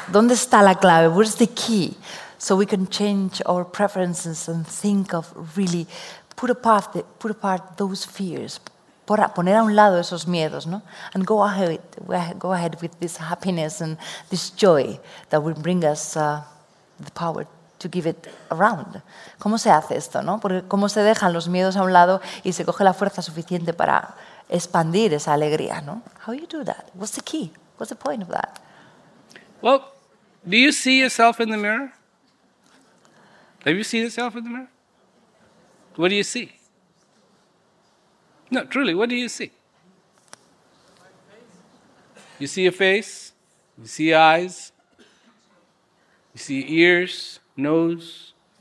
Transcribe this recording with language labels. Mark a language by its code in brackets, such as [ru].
[es] ¿Dónde está la clave? [en] Where's the key? So we can change our preferences and think of really put apart those fears, [es] poner a un lado esos miedos, ¿no? [en] And go ahead with this happiness and this joy that will bring us the power to give it around. [es] ¿Cómo se hace esto, no? Porque cómo se dejan los miedos a un lado y se coge la fuerza suficiente para expandir esa alegría, ¿no? [en] How you do that? What's the key? What's the point of that? Well, do you see yourself in the mirror? Have you seen yourself in the mirror? What do you see? No, truly, what do you see? You see a face, you see eyes, you see ears, nose.